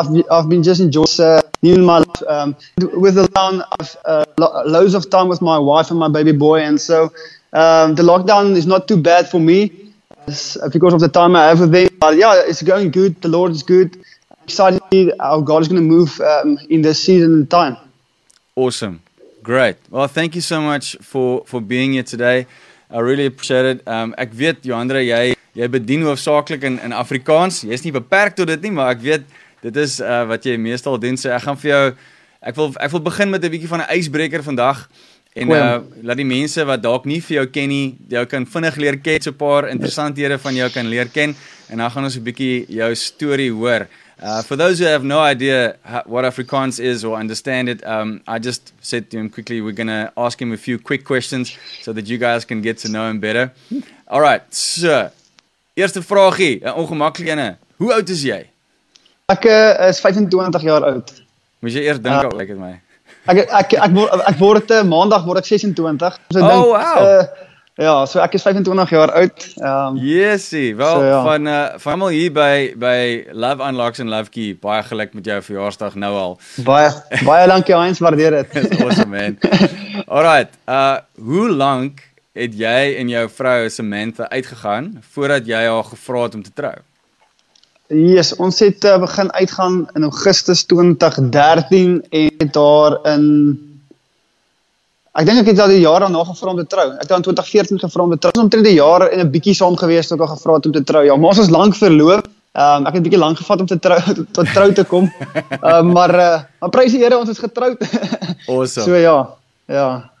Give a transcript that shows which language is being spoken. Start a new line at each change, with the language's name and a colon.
English: I've been just enjoying new in my life. With the lockdown, I've loads of time with my wife and my baby boy, and so the lockdown is not too bad for me because of the time I have with them. But yeah, it's going good. The Lord is good. Excited how God is going to move in this season and time. Awesome. Great. Well, thank you so much for being here today. I really appreciate it.
Afrikaans: Ek weet, Johandre, jy bedien hoofsaaklik in Afrikaans. Jy is nie beperk tot dit nie, maar ek weet, dit is wat jy meestal doen. So ek gaan vir jou, ek wil begin met 'n bietjie van 'n ijsbreker vandag. En laat die mense wat dalk nie vir jou ken nie, jou kan vinnig leer ken, so 'n paar interessanthede van jou kan leer ken. En dan gaan ons 'n bietjie jou story hoor.
English: For those who have no idea what Afrikaans is or understand it, I just said to him quickly, we're going to ask him a few quick questions so that you guys can get to know him better. All right,
Afrikaans: so, eerste vraagie, 'n ongemaklike ene. Hoe oud is jy? Ek is 25 jaar oud. Moes jy eers dink, like it my? Ek word maandag, word ek 26. So oh, dink, wow! Ja, so ek is 25 jaar oud. Yesie, wel, so, ja. Van almal hier by Love Unlocks en Love Key, baie geluk met jou verjaarsdag nou al. Baie dankie, Heinz, waardeer dit.
English: It's awesome, man. Alright,
Afrikaans: hoe lang het jy en jou vrou Samantha uitgegaan, voordat jy haar gevra het om te trou? Yes, ons het begin uitgaan in Augustus 2013 en het daar in... Ek dink ek het al die jaar daarna gevra om te trou. Ek het in 2014 gevra om te trou. Ons omtrent 'n jaar en 'n bietjie saam gewees toe ek al gevra het om te trou. Ja, maar ons is lank verloof. Ek het 'n bietjie lank gevat om te trou tot trou te kom. Maar prys die Here, ons is getroud.
English: Awesome.
Afrikaans: So ja. Ja.